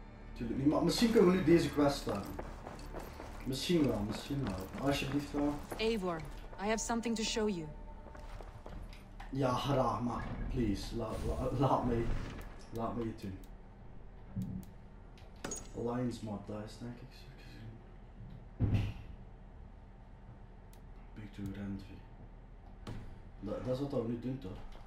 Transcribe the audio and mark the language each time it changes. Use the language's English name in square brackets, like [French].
[Dutch] Natuurlijk niet, maar misschien kunnen we nu deze quest starten. Misschien wel. Alsjeblieft wel. [English] Eivor, I have something to show you. [Dutch] Ja, graag, maar please, laat me je doen. Alliance mod, daar is denk ik. Big to Renvi. Dat is wat we nu doen toch?